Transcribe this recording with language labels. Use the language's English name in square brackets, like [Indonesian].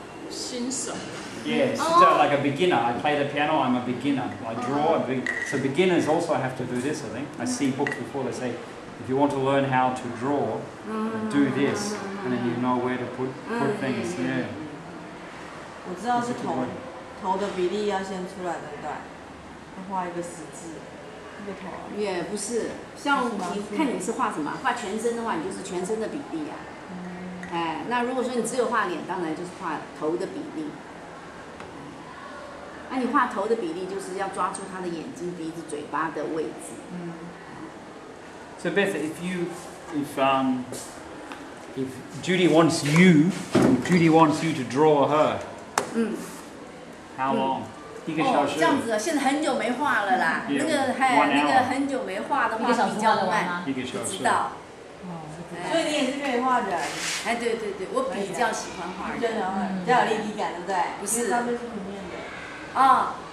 [Chinese] 新手。 [English] Yes, so like a beginner. I play the piano, I'm a beginner. I draw, so beginners also have to do this, I think. I see books before, they say, if you want to learn how to draw, do this, and then you know where to put things. Yeah. [Chinese] 我知道是头的比例要先出来的，对。画一个十字，也不是，像你看你是画什么，画全身的话，你就是全身的比例啊。哎，那如果说你只有画脸，当然就是画头的比例。那你画头的比例，就是要抓住他的眼睛、鼻子、嘴巴的位置。 [English] So Beth, if Judy wants you to draw her, how long? [Chinese] 这样子，现在很久没画了啦。 [English] Yeah, [Chinese] 那个很久没画的话，比较慢，不知道。所以你也是可以画的。哎，对对对，我比较喜欢画人，比较有立体感，对不对？不是，他们是平面的。哦，